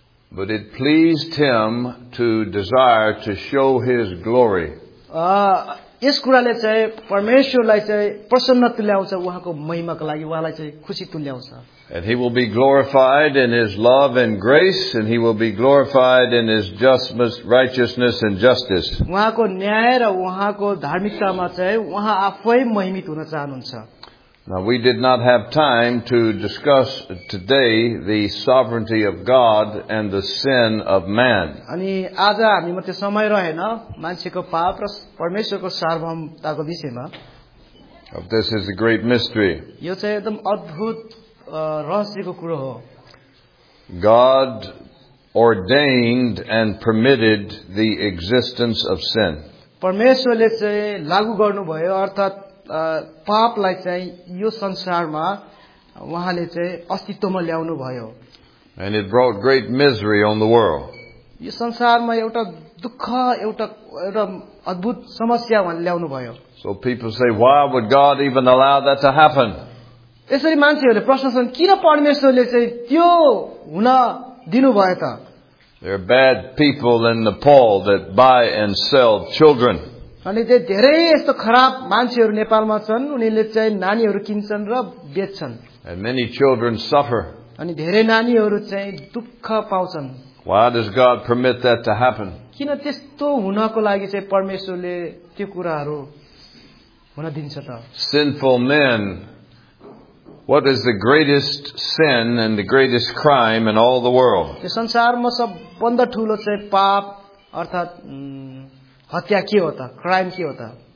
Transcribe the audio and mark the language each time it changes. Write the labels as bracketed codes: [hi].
[en] But it pleased him to desire to show his glory. [ne] यस कुराले चाहिँ परमेश्वरलाई चाहिँ प्रसन्न तुल्याउँछ उहाँको महिमाको लागि उहाँलाई चाहिँ खुशी तुल्याउँछ. [en] And he will be glorified in his love and grace, and he will be glorified in his justness, righteousness and justice. [ne] उहाँको न्याय र उहाँको धार्मिकतामा चाहिँ उहाँ आफै महिमित हुन चाहनुहुन्छ. [en] Now we did not have time to discuss today the sovereignty of God and the sin of man. [ne] अनि आज हामीमा त्यो समय रहेन मान्छेको पाप र परमेश्वरको सार्वभौमताको विषयमा. [en] This is a great mystery. [ne] यो चाहिँ एकदम अद्भुत रहस्यको कुरा हो. [en] God ordained and permitted the existence of sin. [ne] परमेश्वरले चाहिँ लागू गर्नुभयो अर्थात पापलाई चाहिँ यो संसारमा उहाँले चाहिँ अस्तित्वमा ल्याउनु भयो. [en] And it brought great misery on the world. [ne] यो संसारमा एउटा दुःख एउटा अद्भुत समस्या उहाँले ल्याउनु भयो. [en] So people say, why would God even allow that to happen? [ne] यसरी मान्छेहरूले प्रश्न गर्छन् किन परमेश्वरले चाहिँ त्यो हुन दिनुभयो त. [en] There are bad people in Nepal that buy and sell children. [ne] अनि त्यो धेरै यस्तो खराब मान्छेहरू नेपालमा छन् उनीहरूले चाहिँ नानीहरू किन्छन् र बेच्छन्. [en] And many children suffer. [ne] अनि धेरै नानीहरू चाहिँ दुःख पाउँछन्. [en] Why does God permit that to happen? [ne] किन त्यस्तो हुनको लागि चाहिँ परमेश्वरले त्यो कुराहरू हुन दिन्छ त. [en] Sinful men, what is the greatest sin and the greatest crime in all the world? [ne] यो संसारमा सबभन्दा ठूलो चाहिँ पाप अर्थात हत्या के हो त क्राइम के हो त.